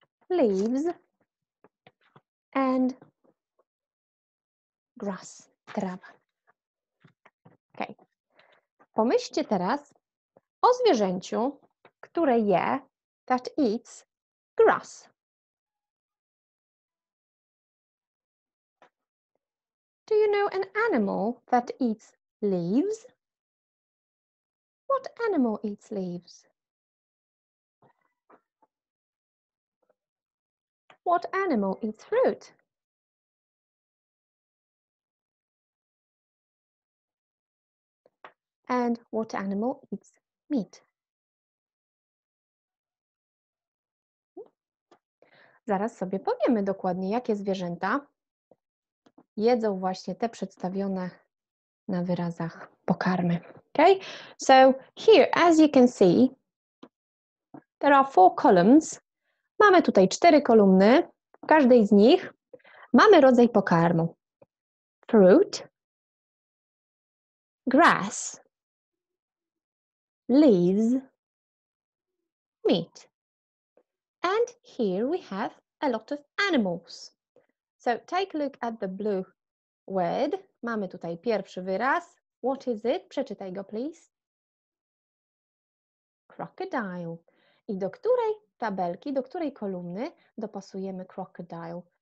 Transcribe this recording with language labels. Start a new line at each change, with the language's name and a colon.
English: Leaves. And grass.
Polish: Trawa.
English: Ok.
Polish: Pomyślcie teraz o zwierzęciu, które je,
English: that eats grass. Do you know an animal that eats leaves? What animal eats leaves? What animal eats fruit? And what animal eats meat?
Polish: Zaraz sobie powiemy dokładnie, jakie zwierzęta jedzą właśnie te przedstawione na wyrazach pokarmy.
English: Okay? So here, as you can see, there are four columns.
Polish: Mamy tutaj cztery kolumny. W każdej z nich mamy rodzaj pokarmu.
English: Fruit, grass, leaves, meat. And here we have a lot of animals. So take a look at the blue word.
Polish: Mamy tutaj pierwszy wyraz.
English: What is it?
Polish: Przeczytaj go, please. Crocodile. I do której tabelki, do której kolumny dopasujemy crocodile?